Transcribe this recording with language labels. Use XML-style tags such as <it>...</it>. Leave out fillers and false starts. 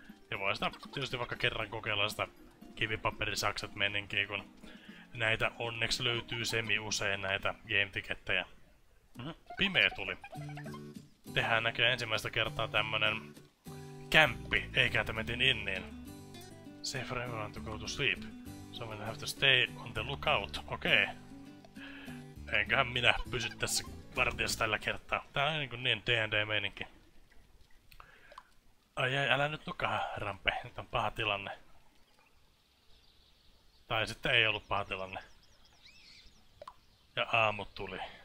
<fi>Ja voi sitä tietysti vaikka kerran kokeilla sitä kivipaperisakset meninkin, kun näitä onneksi löytyy semi-usein näitä game-tikettejä. Pimeä tuli. Tehdään näköjään ensimmäistä kertaa tämmönen kämppi, eikä että metin inniin.</fi> <en>Safe for everyone to go to sleep. So we have to stay on the lookout. Okei. Okay.</en> <fi>Enköhän minä pysy tässä vartijassa tällä kertaa. Tää on niinku niin D&D-meininki. Ai ai, älä nyt nukaa, Rampe. Nyt on paha tilanne. Tai sitten ei ollut paha tilanne. Ja aamu tuli.</fi>